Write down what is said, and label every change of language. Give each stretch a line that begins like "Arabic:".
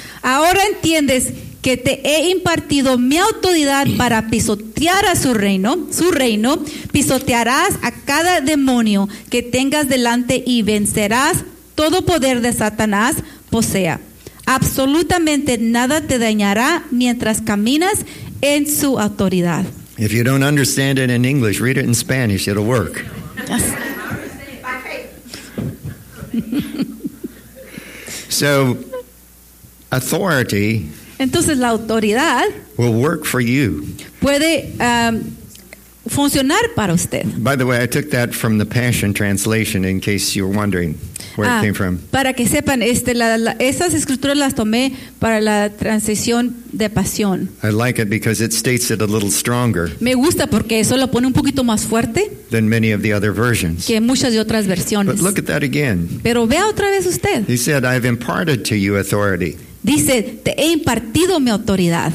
Spanish: Ahora entiendes que te he impartido mi autoridad para pisotear a su reino. Pisotearás a cada demonio que tengas delante y vencerás todo poder de Satanás posea. Absolutamente nada te dañará mientras caminas en su autoridad.
English: If you don't understand it in English, read it in Spanish. It'll work. Yes. So, authority.
Spanish: Entonces la autoridad
English: will work for you.
Spanish: Puede funcionar para usted.
English: By the way, I took that from the Passion Translation, in case you were wondering where it came from.
Spanish: Para que sepan, esas escrituras las tomé para la transición de Pasión.
English: I like it because it states it a little stronger.
Spanish: Me gusta porque eso lo pone un poquito más fuerte.
English: Than many of the other versions.
Spanish: Que muchas de otras versiones.
English: But look at that again.
Spanish: Pero vea otra vez usted.
English: He said, "I've imparted to you authority."
Spanish: Dice, te he impartido mi autoridad.